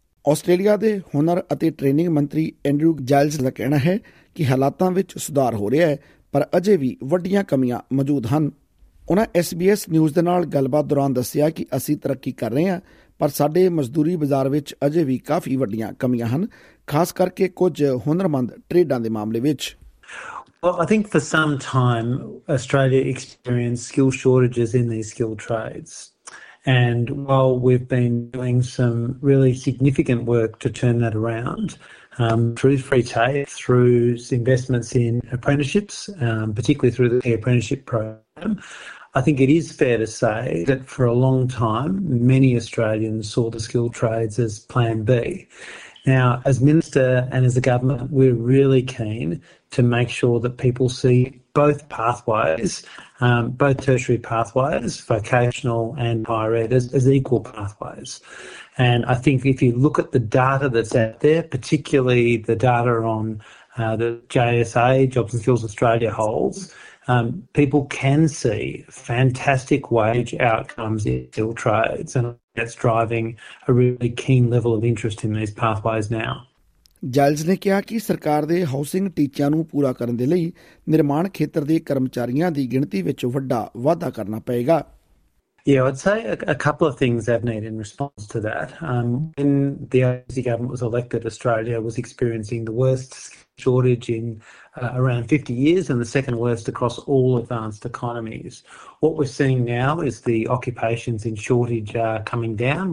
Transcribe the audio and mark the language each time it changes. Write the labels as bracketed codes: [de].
[pa] Australia ਦੇ ਹੁਨਰ ਅਤੇ ਟ੍ਰੇਨਿੰਗ ਮੰਤਰੀ ਐਂਡਰੂ ਜਾਇਲਸ ਦਾ ਕਹਿਣਾ ਹੈ ਕਿ ਹਾਲਾਤਾਂ ਵਿੱਚ ਸੁਧਾਰ ਹੋ ਰਿਹਾ ਹੈ, ਪਰ ਅਜੇ ਵੀ ਵੱਡੀਆਂ ਕਮੀਆਂ ਮੌਜੂਦ ਹਨ। ਉਨ੍ਹਾਂ SBS ਨਿਊਜ਼ ਦੇ ਨਾਲ ਗੱਲਬਾਤ ਦੌਰਾਨ ਦੱਸਿਆ ਕਿ ਅਸੀਂ ਤਰੱਕੀ ਕਰ ਰਹੇ ਹਾਂ, ਪਰ ਸਾਡੇ ਮਜ਼ਦੂਰੀ ਬਾਜ਼ਾਰ ਵਿੱਚ ਅਜੇ ਵੀ ਕਾਫ਼ੀ ਵੱਡੀਆਂ ਕਮੀਆਂ ਹਨ, ਖਾਸ ਕਰਕੇ ਕੁਝ ਹੁਨਰਮੰਦ ਟ੍ਰੇਡਾਂ ਦੇ ਮਾਮਲੇ ਵਿੱਚ। [en] Well, I think for some time, Australia experienced skill shortages in these skilled trades. And while we've been doing some really significant work to turn that around, through free TAFE, through investments in apprenticeships, particularly through the apprenticeship program, I think it is fair to say that for a long time, many Australians saw the skilled trades as plan B. Now, as Minister and as a government, we're really keen to make sure that people see both pathways, both tertiary pathways, vocational and higher ed, as equal pathways. And I think if you look at the data that's out there, particularly the data on the JSA, Jobs and Skills Australia holds, people can see fantastic wage outcomes in skilled trades. And that's driving a really keen level of interest in these pathways now. [pa] ਜਾਇਲਸ ਨੇ ਕਿਹਾ ਕਿ ਸਰਕਾਰ ਦੇ housing ਟੀਚਿਆਂ ਨੂੰ ਪੂਰਾ ਕਰਨ ਦੇ ਲਈ ਨਿਰਮਾਣ ਖੇਤਰ ਦੇ ਕਰਮਚਾਰੀਆਂ ਦੀ ਗਿਣਤੀ ਵਿੱਚ ਵੱਡਾ ਵਾਧਾ ਕਰਨਾ ਪਏਗਾ। [en] Yeah, I'd say a couple of things have been in response to that. When the ABC government was elected, Australia was experiencing the worst shortage in around 50 years and the second worst across all advanced economies. What we're seeing now is the occupations in shortage are coming down.